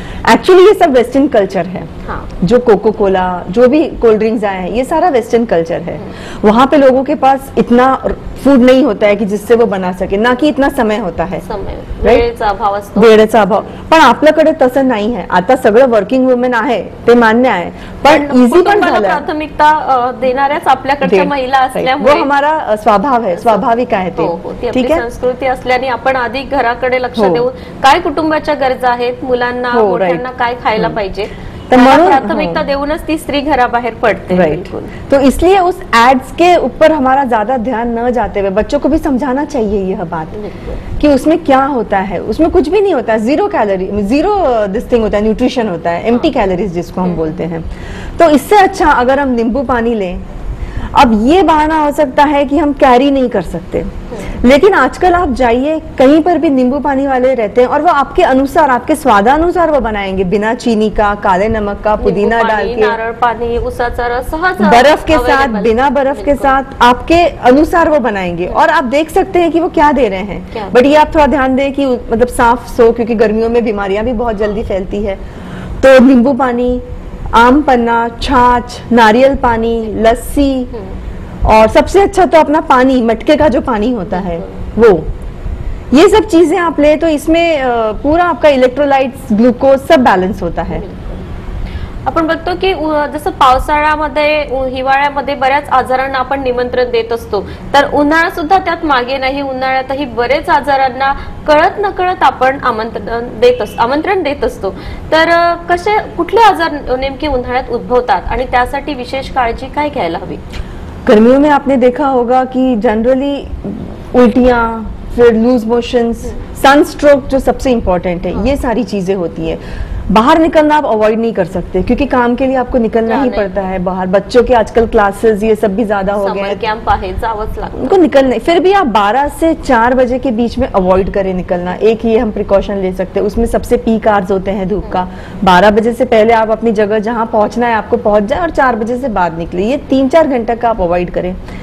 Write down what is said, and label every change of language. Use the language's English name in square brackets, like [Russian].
[Hindi] Actually ये सब western culture है, जो कोको कोला जो भी कोल्ड ड्रिंक्स आए हैं ये सारा वेस्टर्न कल्चर है, वहां पे लोगों के पास इतना फूड नहीं होता है कि जिससे वो बना सके, ना कि इतना समय होता है, [Marathi] वेळेचा अभाव, पण आपल्याकडे तसं नाही [Hindi] है। [Marathi] आता सगळं वर्किंग वुमेन आहे ते मान्य आहे, पण इजी पण झालं, प्राथमिकता देणाऱ्याच आपल्याकडच्या महिला असल्यामुळे [Hindi] वो हमारा स्वभाव है, [Marathi] स्वाभाविक आहे ते, ठीक आहे, संस्कृती असल्याने आपण अधिक घराकडे लक्ष देऊ, काय कुटुंबाच्या गरजा आहेत, मुलांना मोठ्यांना काय खायला पाहिजे, प्राथमिकता देऊनच ती स्त्री घरा बाहेर पडते। [Hindi] तो इसलिए उस एड्स के ऊपर हमारा ज्यादा ध्यान न जाते हुए बच्चों को भी समझाना चाहिए यह बात कि उसमें क्या होता है, उसमें कुछ भी नहीं होता है, zero calorie, zero this thing होता है, न्यूट्रिशन होता है, एम्प्टी कैलोरीज जिसको हम बोलते हैं। तो इससे अच्छा अगर हम नींबू पानी लें, अब ये बहाना हो सकता है कि हम कैरी नहीं कर सकते, लेकिन आजकल आप जाइए कहीं पर भी नींबू पानी वाले रहते हैं और वो आपके अनुसार आपके स्वादानुसार वो बनाएंगे, बिना चीनी का, काले नमक का, पुदीना डाल के, नारियल पानी, उसका रस, बर्फ के साथ, बिना बर्फ के साथ, आपके अनुसार वो बनाएंगे और आप देख सकते हैं कि वो क्या दे रहे हैं। बट ये आप थोड़ा ध्यान दें कि मतलब साफ सो, क्योंकि गर्मियों में बीमारियां भी बहुत जल्दी फैलती है, तो नींबू पानी, आम पन्ना, छाछ, नारियल पानी, लस्सी, और सबसे अच्छा तो अपना पानी, मटके का जो पानी होता है वो, ये सब चीजें आप ले तो इसमें पूरा आपका इलेक्ट्रोलाइट्स, ग्लूकोज सब बैलेंस होता है। [Marathi] आपण बघतो की जसं पावसाळ्यामध्ये हिवाळ्यामध्ये बऱ्याच आजारांना आपण निमंत्रण देत असतो, तर उन्हाळा सुद्धा त्यात मागे नाही, उन्हाळ्यातही बरेच आजारांना कळत नकळत आपण आमंत्रण देत असतो, तर कसे कुठले आजार नेमके उन्हाळ्यात उद्भवतात आणि त्यासाठी विशेष काळजी काय घ्यायला हवी? [Hindi] गर्मियों में आपने देखा होगा कि जनरली उल्टियां, फिर लूज मोशंस, सनस्ट्रोक जो सबसे इम्पोर्टेंट है, ये सारी चीजें होती है। बाहर निकलना आप अवॉइड नहीं कर सकते क्योंकि काम के लिए आपको निकलना ही पड़ता है बाहर, बच्चों के आजकल क्लासेस ये सब भी ज्यादा हो गए, उनको निकलना, फिर भी आप 12 से 4 बजे के बीच में अवॉइड करें निकलना, एक ये हम प्रिकॉशन ले सकते हैं, उसमें सबसे पीक आवर्स होते हैं धूप का, 12 बजे से पहले आप अपनी जगह जहां पहुंचना है आपको पहुंच जाए और 4 बजे से बाद निकले, ये 3-4 घंटे का आप अवॉइड करें।